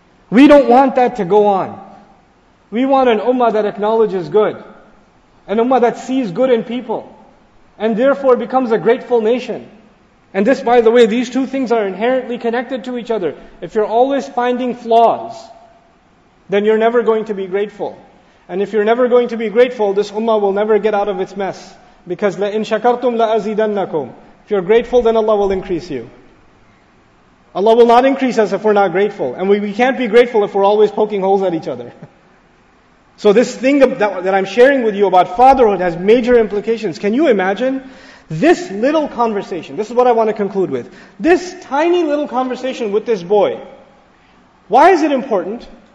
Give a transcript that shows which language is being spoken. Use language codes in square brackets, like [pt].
[en] We don't want that to go on. We want an ummah that acknowledges good, an ummah that sees good in people, and therefore becomes a grateful nation. And this, by the way, these two things are inherently connected to each other. If you're always finding flaws, then you're never going to be grateful. And if you're never going to be grateful, this ummah will never get out of its mess. Because [ar] لَإِن شَكَرْتُمْ لَأَزِيدَنَّكُمْ. [en] If you're grateful, then Allah will increase you. Allah will not increase us if we're not grateful. And we can't be grateful if we're always poking holes at each other. So this thing that I'm sharing with you about fatherhood has major implications. Can you imagine? This little conversation, this is what I want to conclude with. This tiny little conversation with this boy. Why is it important?